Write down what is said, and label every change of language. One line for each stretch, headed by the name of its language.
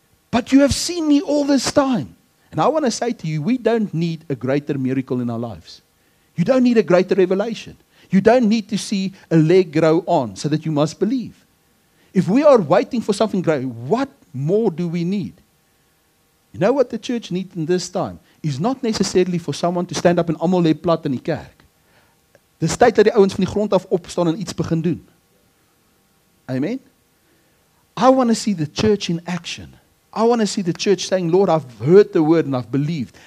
English: But you have seen me all this time. And I want to say to you, we don't need a greater miracle in our lives. You don't need a greater revelation. You don't need to see a leg grow on so that you must believe. If we are waiting for something great, what more do we need? You know what the church needs in this time? Is not necessarily for someone to stand up and
Afrikaans: almal lê plat in die kerk. Dis tyd dat die ouens van die grond af opstaan en iets begin doen.
English: Amen? I want to see the church in action. I want to see the church saying, Lord, I've heard the word and I've believed.